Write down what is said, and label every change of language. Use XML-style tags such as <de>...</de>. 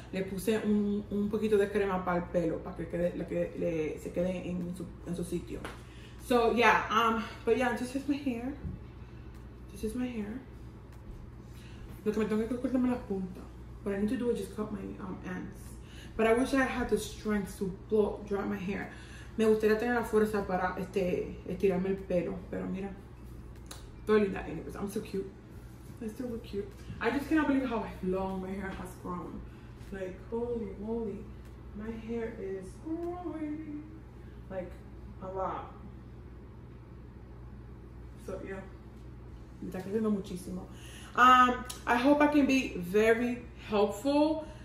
<es>Le puse un poquito de crema para el pelo, para que quede, se quede en su sitio.</es> <en>So yeah, but yeah, this is my hair.</en> <es>Lo que me tengo que cortarme la punta.</es> <en>What I need to do is just cut my ends. But I wish I had the strength to blow dry my hair.</en> <es>Me gustaría tener la fuerza para estirarme el pelo. Pero mira, estoy linda</es> <en>anyways. I'm so cute. I still look cute. I just cannot believe how long my hair has grown. Like, holy moly, my hair is growing like a lot. So yeah,</en> <es>está creciendo muchísimo.</es> <en>I hope I can be very helpful.</en>